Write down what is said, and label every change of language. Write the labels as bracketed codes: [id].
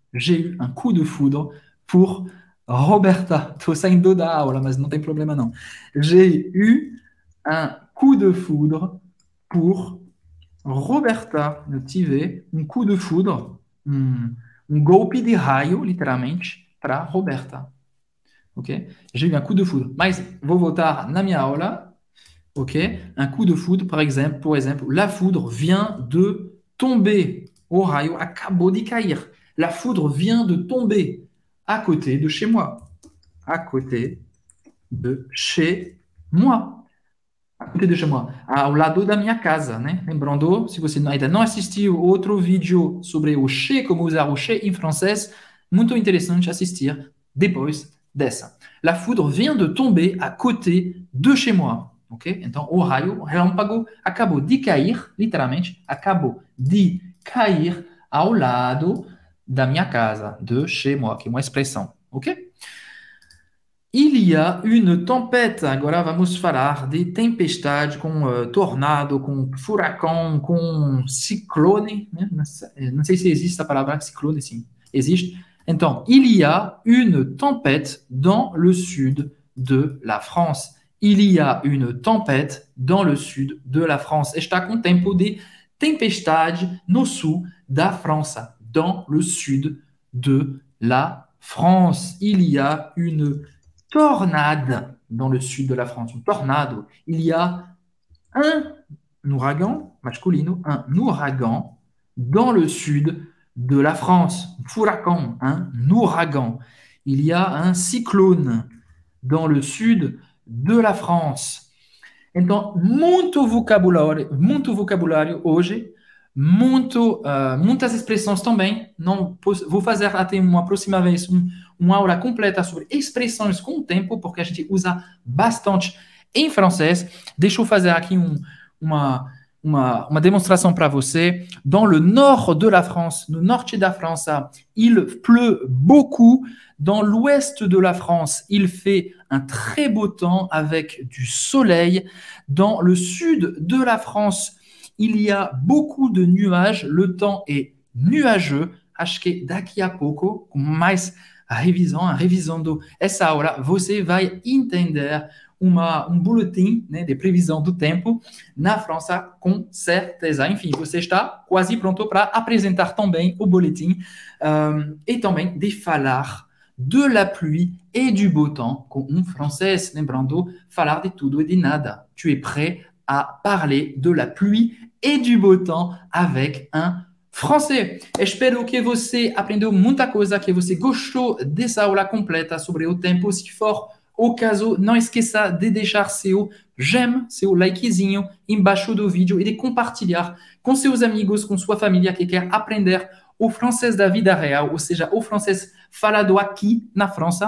[fr] J'ai eu un coup de foudre pour Roberta. [pt] Estou saindo da aula, mas não tem problema não. [fr] J'ai eu un coup de foudre pour Roberta, [pt] eu tive um coup de foudre, um golpe de raio, literalmente, para Roberta. [fr] Ok? J'ai eu un coup de foudre. [pt] Mas vou voltar na minha aula. [fr] Ok? Un coup de foudre, [pt] por exemplo, [fr] la foudre vient de tomber. [pt] O raio acabou de cair. [fr] La foudre vient de tomber à côté de chez moi. À côté de chez moi. [pt] Deixa-moi, ao lado da minha casa, né? Lembrando, se você ainda não assistiu outro vídeo sobre o che, como usar o che em francês, muito interessante assistir depois dessa. [fr] La foudre vient de tomber à côté de chez moi. Ok? [pt] Então, o raio, o relâmpago, acabou de cair, literalmente, acabou de cair ao lado da minha casa, [fr] de chez moi, [pt] que é uma expressão. Ok? [fr] Il y a une tempête. [pt] Agora vamos falar de tempestade com tornado, com furacão, com ciclone. Né? Não sei se existe a palavra ciclone, sim. Existe. [fr] Então, il y a une tempête dans le sud de la France. Il y a une tempête dans le sud de la France. [pt] Está com tempo de tempestade no sul da França. [fr] Dans le sud de la France. Il y a une tornade dans le sud de la France. Un tornado. Il y a un ouragan masculino, un ouragan dans le sud de la France. [pt] Un furacão, [fr] un ouragan. Il y a un cyclone dans le sud de la France. [pt] Então, muito vocabulário hoje. Muitas expressões também. Não vou fazer até uma próxima vez uma aula completa sobre expressões com o tempo, porque a gente usa bastante em francês. Deixa eu fazer aqui uma demonstração para você. [fr] Dans le nord de la France, [pt] no norte da França, [fr] il pleut beaucoup. Dans l'ouest de la France, il fait un très beau temps avec du soleil. Dans le sud de la France, il y a beaucoup de nuages, le temps est nuageux. [pt] Acho que daqui a pouco, com mais revisando essa aula, você vai entender um boletim, né, de previsão do tempo na França, com certeza. Enfim, você está quase pronto para apresentar também o boletim e também de falar [fr] de la pluie et du beau temps [pt] com francês, lembrando, falar de tudo e de nada. [fr] Tu es prêt à parler de la pluie et du beau temps avec un français. [pt] Espero que você aprendeu muita coisa, que você gostou dessa aula completa sobre o tempo. Se for o caso, não esqueça de deixar seu j'aime, seu likezinho embaixo do vídeo e de compartilhar com seus amigos, com sua família que quer aprender o francês da vida real, ou seja, o francês falado aqui na França.